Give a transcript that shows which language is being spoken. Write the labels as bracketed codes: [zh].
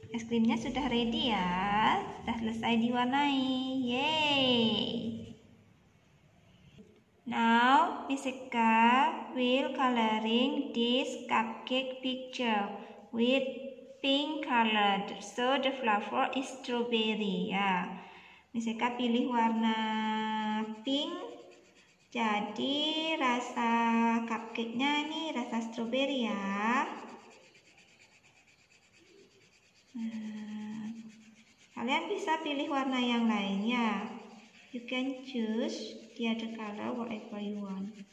[id] Es krimnya sudah ready ya. Sudah selesai diwarnai. Yay. [en] Now, Miss Eka will coloring this cupcake picture with pink color. So the flavor is strawberry. Yeah. [id] Miss Eka pilih warna pink. Jadi rasa cupcake-nya ini rasa strawberry ya. Kalian bisa pilih warna yang lainnya. [en] You can choose the other color whatever you want.